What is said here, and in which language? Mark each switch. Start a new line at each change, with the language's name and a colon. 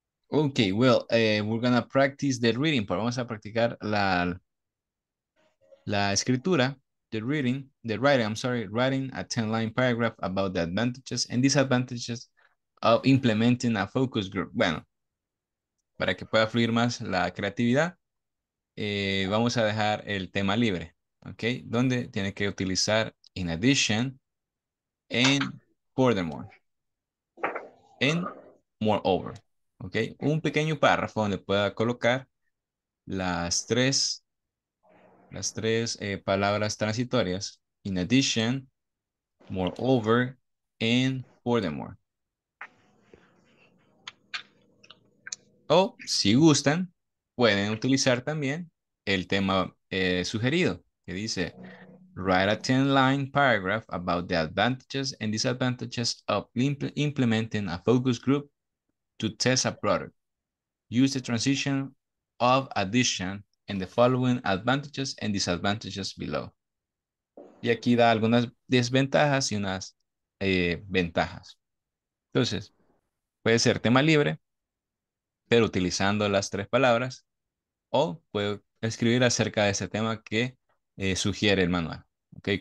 English: We're gonna practice the reading part.
Spanish: Vamos a practicar la escritura.
English: Writing a 10-line paragraph about the advantages and disadvantages of implementing a focus group.
Spanish: Bueno, para que pueda fluir más la creatividad, vamos a dejar el tema libre, ¿ok? Donde tiene que utilizar in addition, and furthermore, and moreover, ¿ok? Un pequeño párrafo donde pueda colocar las tres palabras transitorias, in addition, moreover, and furthermore. O, si gustan, pueden utilizar también el tema sugerido, que dice,
English: write a 10-line paragraph about the advantages and disadvantages of implementing a focus group to test a product. Use the transition of addition and the following advantages and disadvantages below.
Spanish: Y aquí da algunas desventajas y unas ventajas. Entonces, puede ser tema libre, pero utilizando las tres palabras, o puedo escribir acerca de ese tema que sugiere el manual, ¿okay?